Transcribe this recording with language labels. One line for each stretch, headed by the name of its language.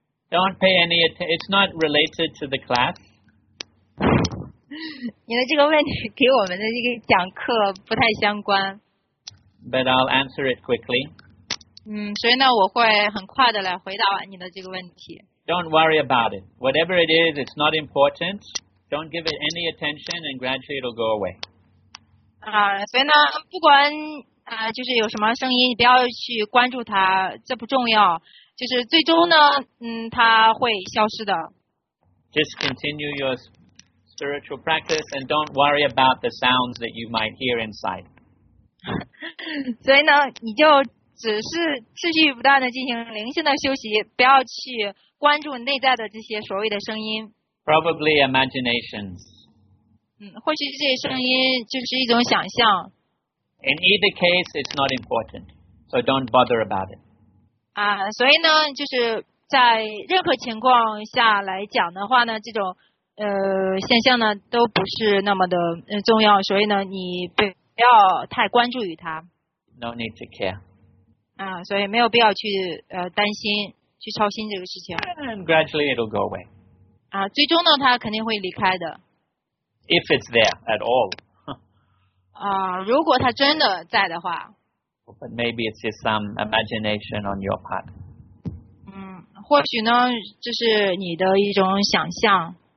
English: Don't pay any attention. It's not related to the class.
Chinese: 你的这个问题给我们的这个讲课不太相关。
English: But I'll answer it quickly.
Chinese: 所以呢，我会很快的来回答你的这个问题。
English: Don't worry about it. Whatever it is, it's not important. Don't give it any attention, and gradually it'll go away.
Chinese: 所以呢，不管就是有什么声音，你不要去关注它，这不重要。就是最终呢，它会消失的。
English: Just continue your spiritual practice and don't worry about the sounds that you might hear inside.
Chinese: 所以呢，你就只是持续不断的进行灵性的修习，不要去关注内在的这些所谓的声音。
English: Probably imaginations.
Chinese: 或许这些声音就是一种想象。
English: In either case, it's not important, so don't bother about it.
Chinese: 所以呢，就是在任何情况下来讲的话呢，这种现象呢都不是那么的重要，所以呢，你不要太关注于它。
English: No need to care.
Chinese: 所以没有必要去担心，去操心这个事情。
English: And gradually it'll go away.
Chinese: 最终呢，它肯定会离开的。
English: If it's there at all.
Chinese: 如果它真的在的话。
English: But maybe it's just some imagination on your part.
Chinese: 或许呢，这是你的一种想象。